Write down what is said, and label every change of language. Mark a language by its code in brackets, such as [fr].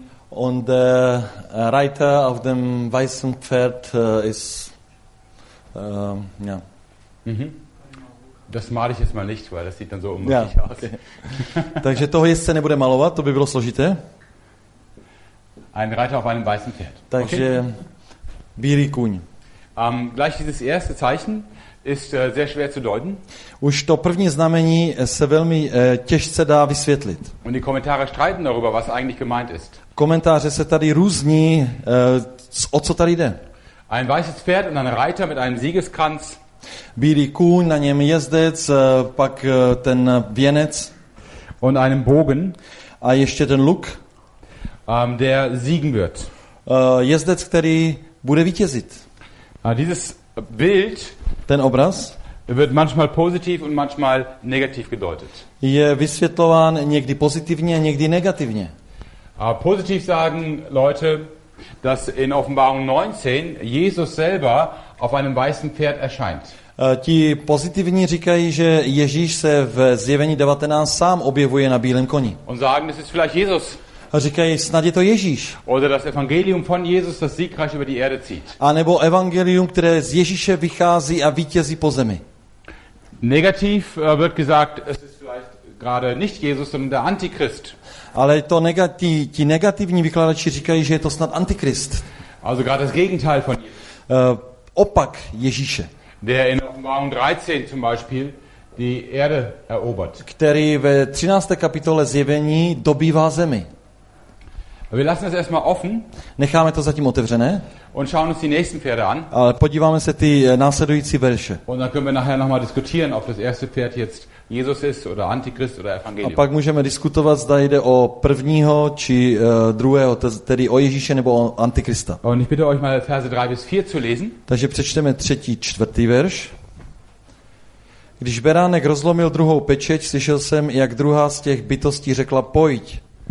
[de] Und der Reiter auf dem weißen Pferd ist ja. Das male ich jetzt mal nicht, weil das sieht dann so unmöglich aus. Okay. [cs] Takže toho jestce nebude malovat, to by bylo složité. [de] Ein Reiter auf einem weißen Pferd. [cs] Takže bílý kůň. [de] Gleich dieses erste Zeichen ist sehr schwer zu deuten. [cs] Už to první znamení se velmi těžce dá vysvětlit. [de] Und die Kommentare streiten darüber, was eigentlich gemeint ist. [cs] Komentáře se tady různí, o co tady jde. [de] Ein weißes Pferd und ein Reiter mit einem Siegeskranz. [cs] Bílý kůň, na něm jezdec, pak ten věnec. [de] Und einem Bogen. [cs] A ještě ten luk. [de] Der siegen wird. [cs] Jezdec, který bude vítězit. [de] Dieses Bild, [cs] ten obraz, [de] wird manchmal positiv und manchmal negativ gedeutet. [cs] Je vysvětlován někdy pozitivně, někdy negativně. [de] Positiv sagen Leute, dass in Offenbarung 19 Jesus selber auf einem weißen Pferd erscheint. [cs] Ti pozitivní říkají, že Ježíš se v Zjevení 19 sám objevuje na bílém koni. [de] Und sagen, es ist vielleicht Jesus. [cs] A říkají, snad je to Ježíš. [de] Oder das Evangelium von Jesus, das siegreich über die Erde zieht. [cs] A nebo evangelium, které z Ježíše vychází a vítězí po zemi. [de] Negativ wird gesagt, es ist vielleicht gerade nicht Jesus, sondern der Antichrist. [cs] Ale to ti negativní vykladači říkají, že je to snad Antichrist. [de] Also gerade das Gegenteil von Jesus. [cs] Opak Ježíše. [de] Der in Offenbarung 13 zum Beispiel die Erde erobert. [cs] Který ve 13. kapitole Zjevení dobývá zemi. [de] Wir lassen es erstmal offen. [cs] Necháme to zatím otevřené. [de] Und schauen uns die nächsten Pferde an. [cs] Ale podíváme se ty následující verše. [de] Und dann können wir nachher noch mal diskutieren, ob das erste Pferd jetzt Jesus ist oder Antichrist oder Evangelium. [cs] A pak můžeme diskutovat, zda jde o prvního či druhého, tedy o Ježíše nebo o Antikrista. [de] Und ich bitte euch mal Verse 3 bis 4 zu lesen. [cs] Takže přečteme třetí, čtvrtý verš. Když beránek rozlomil druhou pečeť, slyšel jsem, jak druhá z těch bytostí řekla: "Pojď."